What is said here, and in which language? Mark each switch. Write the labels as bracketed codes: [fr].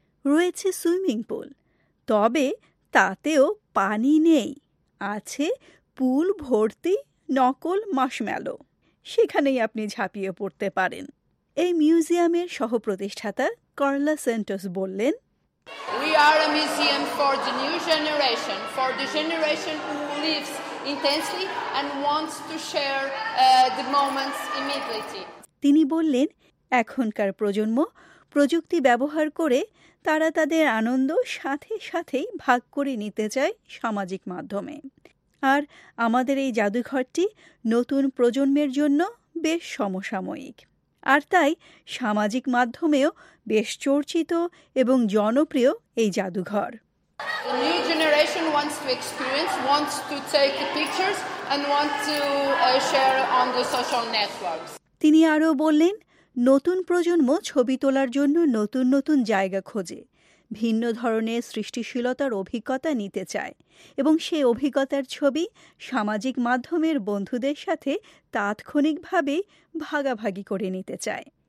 [bn] রয়েছে swimming pool, তবে তাতেও পানি নেই, আছে পুল ভর্তি নকল মাশম্যালো, সেখানেই আপনি ঝাঁপিয়ে পড়তে পারেন। এই মিউজিয়ামের সহপ্রতিষ্ঠাতা কার্লা সেন্টোস বললেন, [en] We are a museum for the new generation, for the generation who lives intensely and wants to share the moments immediately. [bn] তিনি বললেন, এখনকার প্রজন্ম প্রযুক্তি ব্যবহার করে তারা তাদের আনন্দ সাথে সাথেই ভাগ করে নিতে চায় সামাজিক মাধ্যমে, আর আমাদের এই জাদুঘরটি নতুন প্রজন্মের জন্য বেশ সমসাময়িক, আর তাই সামাজিক মাধ্যমেও বেশ চর্চিত এবং জনপ্রিয় এই জাদুঘর। [en] The new generation wants to experience, wants to take pictures and wants to share on the social networks. [bn] তিনি আরো বললেন, নতুন প্রজন্ম ছবি তোলার জন্য নতুন নতুন জায়গা খোঁজে, ভিন্ন ধরনের সৃষ্টিশীলতার অভিজ্ঞতা নিতে চায় এবং সেই অভিজ্ঞতার ছবি সামাজিক মাধ্যমের বন্ধুদের সাথে তাৎক্ষণিকভাবে ভাগাভাগি করে নিতে চায়।